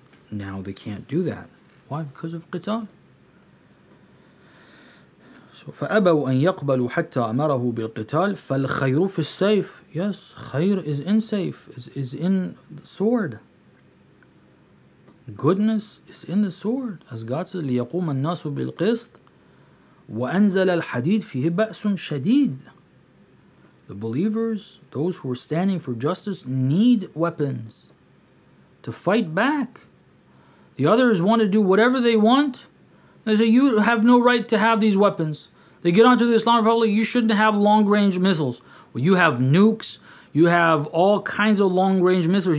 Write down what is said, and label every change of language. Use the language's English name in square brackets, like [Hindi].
[English] Now they can't do that. Why? Because of qital. [Arabic] So فَأَبَوْا أَن يَقْبَلُوا حَتَّى أَمَرَهُ بِالْقِتَالِ فَالْخَيْرُ فِي السَّيْفِ. [English] Yes, khayr is in saif, is in the sword. Goodness is in the sword. As God says, [Arabic] لِيَقُومَ النَّاسُ بِالْقِسْطِ وَأَنزَلَ الْحَدِيدِ فِيهِ بَأْسٌ شَدِيدٌ. [English] The believers, those who are standing for justice, need weapons to fight back. The others want to do whatever they want. They say, you have no right to have these weapons. They get onto the Islamic Republic, you shouldn't have long-range missiles. Well, you have nukes, you have all kinds of long-range missiles.